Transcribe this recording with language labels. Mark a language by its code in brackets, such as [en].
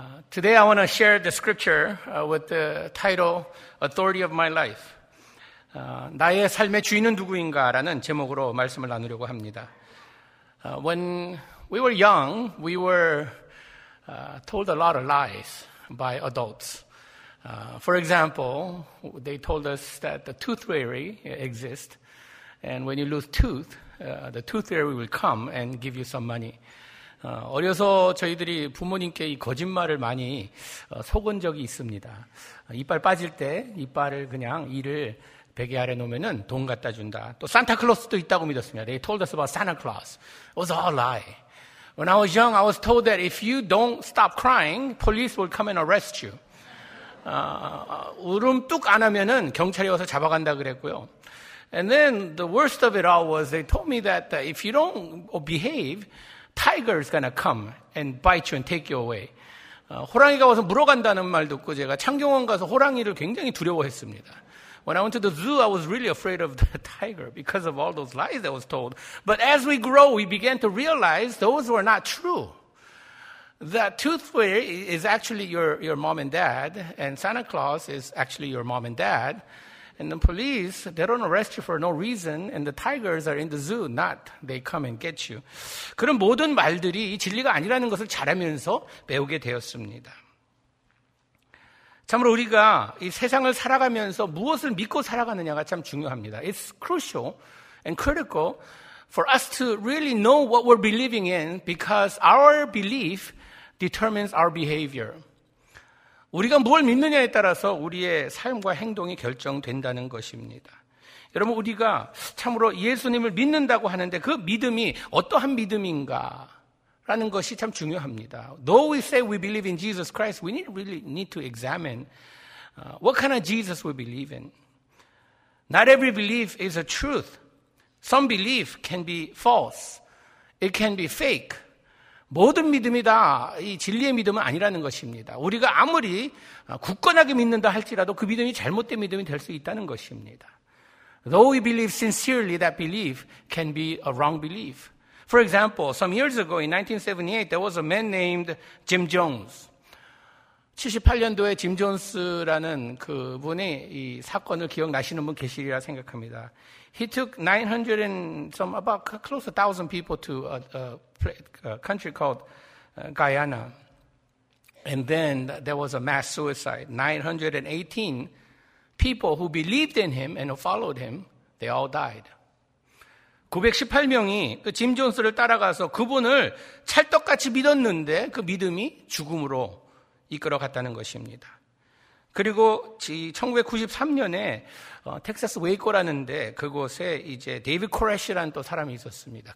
[en] Today I want to share the scripture with the title "Authority of My Life." [ko] 나의 삶의 주인은 누구인가? 라는 제목으로 말씀을 나누려고 합니다. [en] When we were young, we were told a lot of lies by adults. For example, they told us that the tooth fairy exists, and when you lose tooth, the tooth fairy will come and give you some money. [ko] 어려서 저희들이 부모님께 이 거짓말을 많이 속은 적이 있습니다. 이빨 빠질 때 이빨을 그냥 이를 베개 아래 놓으면은 돈 갖다 준다. 또 산타클로스도 있다고 믿었습니다. [en] They told us about Santa Claus. It was all a lie. When I was young, I was told that if you don't stop crying, police will come and arrest you. [ko] 울음 뚝 안 하면은 경찰이 와서 잡아간다 그랬고요. [en] And then the worst of it all was they told me that if you don't behave, tiger is gonna come and bite you and take you away. [ko] 호랑이가 와서 물어간다는 말 듣고 제가 창경원 가서 호랑이를 굉장히 두려워했습니다. [en] When I went to the zoo, I was really afraid of the tiger because of all those lies that was told. But as we grow, we began to realize those were not true. That tooth fairy is actually your mom and dad, and Santa Claus is actually your mom and dad. And the police, they don't arrest you for no reason, and the tigers are in the zoo, not they come and get you. [ko] 그런 모든 말들이 진리가 아니라는 것을 잘하면서 배우게 되었습니다. 참으로 우리가 이 세상을 살아가면서 무엇을 믿고 살아가느냐가 참 중요합니다. [en] It's crucial and critical for us to really know what we're believing in because our belief determines our behavior. [ko] 우리가 뭘 믿느냐에 따라서 우리의 삶과 행동이 결정된다는 것입니다. 여러분, 우리가 참으로 예수님을 믿는다고 하는데 그 믿음이 어떠한 믿음인가? 라는 것이 참 중요합니다. [en] Though we say we believe in Jesus Christ, we really need to examine what kind of Jesus we believe in. Not every belief is a truth. Some belief can be false. It can be fake. [ko] 모든 믿음이 다 이 진리의 믿음은 아니라는 것입니다. 우리가 아무리 굳건하게 믿는다 할지라도 그 믿음이 잘못된 믿음이 될 수 있다는 것입니다. [en] Though we believe sincerely, that belief can be a wrong belief. For example, some years ago in 1978, there was a man named Jim Jones. [ko] 78년도에 Jim Jones라는 그분의 이 사건을 기억나시는 분 계시리라 생각합니다. [en] He took 900 and some about close to 1,000 people to a country called Guyana. And then there was a mass suicide. 918 people who believed in him and who followed him, they all died. [ko] 918명이 그 짐 존스를 따라가서 그분을 찰떡같이 믿었는데 그 믿음이 죽음으로 이끌어갔다는 것입니다. 그리고 1993년에 텍사스 웨이코라는데 그곳에 이제 데이비 코레시라는 또 사람이 있었습니다.